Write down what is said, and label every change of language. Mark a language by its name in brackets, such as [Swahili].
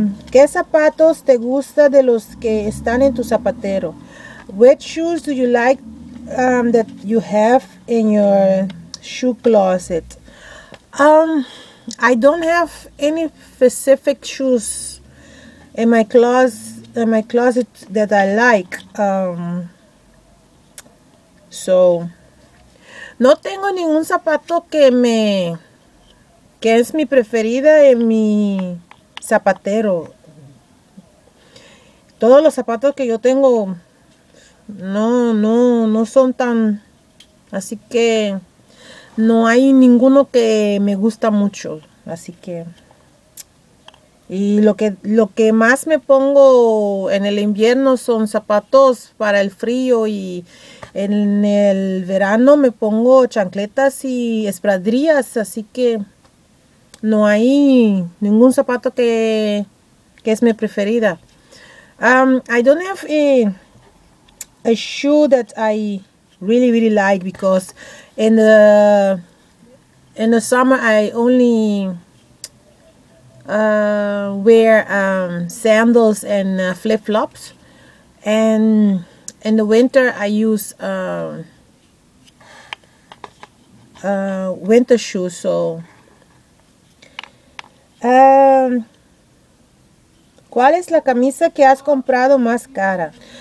[Spanish] ¿Qué zapatos te gusta de los que están en tu zapatero? [English] Which shoes do you like that you have in your shoe closet? I don't have any specific shoes in my closet that I like. [Spanish] So, no tengo ningún zapato que es mi preferida en mi zapatero. Todos los zapatos que yo tengo no son tan, así que no hay ninguno que me gusta mucho. Así que, Y lo que más me pongo en el invierno son zapatos para el frío y en el verano me pongo chancletas y espadrillas, así que no hay ningún zapato que es mi preferida. [English] I don't have a shoe that I really, really like because in the summer I only wear sandals and flip-flops, and in the winter I use winter shoes. [Spanish] So, ¿cuál es la camisa que has comprado más cara?